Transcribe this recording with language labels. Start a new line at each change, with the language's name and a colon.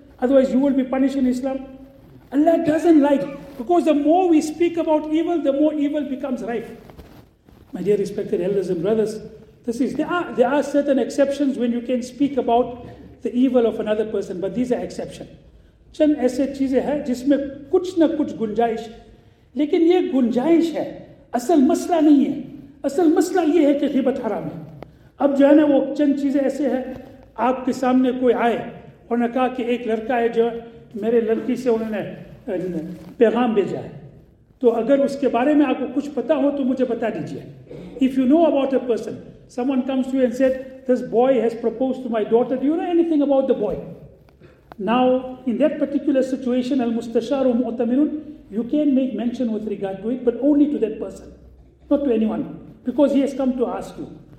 English: Otherwise, you will be punished in Islam. Allah doesn't like it. Because the more we speak about evil, the more evil becomes rife. My dear respected elders and brothers, there are certain exceptions when you can speak about the evil of another person, but these are exceptions.
Urdu: چند ایسے چیزیں ہیں جس میں کچھ نہ کچھ گنجائش ہے, لیکن یہ گنجائش ہے, اصل مسئلہ نہیں ہے. اصل مسئلہ یہ ہے کہ غیبت حرام ہے. اب جو ہے نا وہ چند چیزیں ایسے ہیں, آپ کے سامنے کوئی آئے اور نے کہا کہ ایک لڑکا ہے جو میرے لڑکی سے انہوں نے پیغام بھیجا ہے, تو اگر اس کے بارے میں آپ کو کچھ پتا ہو تو مجھے بتا دیجیے.
English: If you know about a person, someone comes to you and said, this boy has proposed to my daughter, do you know anything about the boy? Now, in that particular situation,
Arabic: al-mustasharu mu'taminun,
English: you can make mention with regard to it, but only to that person, not to anyone, because he has come to ask you.